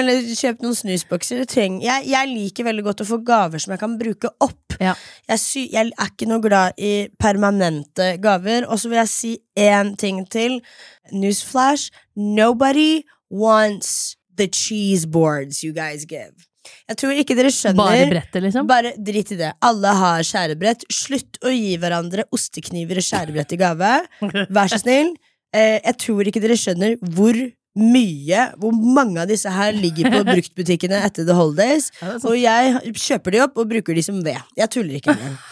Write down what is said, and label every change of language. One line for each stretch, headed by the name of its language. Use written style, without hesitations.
Norwegian: Eller kjøpt noen snusbokser. Jeg liker veldig godt å få gaver som jeg kan bruke opp, ja. Jeg er ikke noe glad i permanente gaver. Og så vil jeg si en ting til.
English: Newsflash: nobody wants the cheese boards you guys give.
Norwegian: Jeg tror ikke dere skjønner. Bare brettet liksom. Bare drit i det. Alle har skjærebrett. Slutt å gi hverandre ostekniver og skjærebrett i gave. Vær så snill. Jeg tror ikke dere skjønner hvor mye, hvor mange av disse her ligger på bruktbutikkene etter
English: The Holidays.
Norwegian: Og jeg kjøper de opp og bruker de som ved. Jeg tuller ikke med.